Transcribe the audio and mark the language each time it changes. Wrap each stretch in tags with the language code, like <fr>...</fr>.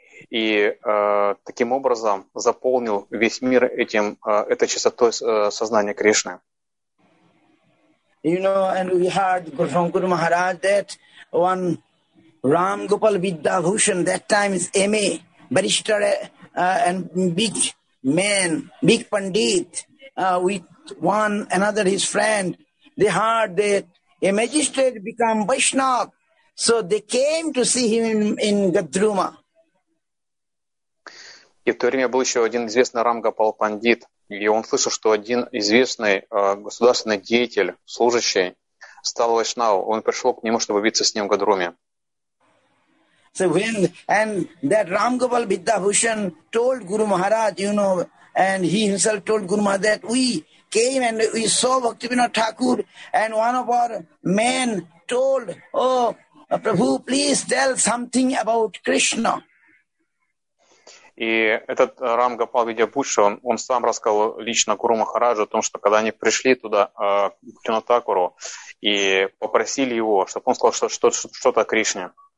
<ru>И таким образом заполнил весь мир этой чистотой сознания Кришны.</ru> <en>You know, and we heard from Guru Maharaj that one Ram Gopal Vidyabhushan, that time is MA, barrister and big man, big pandit, with one another, his friend, they heard that a magistrate become Vaishnav. So they came to see him in Gadruma.</en> <ru>И в то время был еще один известный Рам Гопал Пандит, и он слышал, что один известный государственный деятель, служащий, стал Вайшнав. Он пришел к нему, чтобы биться с ним в Гадруме.</ru> <en>So when and that Ram Gopal Vidyabhushan told Guru Maharaj, you know, and he himself told Guru Maharaj that we came and we saw Bhaktivinoda Thakur, and one of our men told, oh, Prabhu, please tell something about Krishna.</en> <ru>И этот Рам Гопал Видьябхуша, он сам рассказал лично Гуру Махараджу о том, что когда они пришли туда, к Бхактивинода Такуру, и попросили его, чтобы он сказал что-то о Кришне.</ru>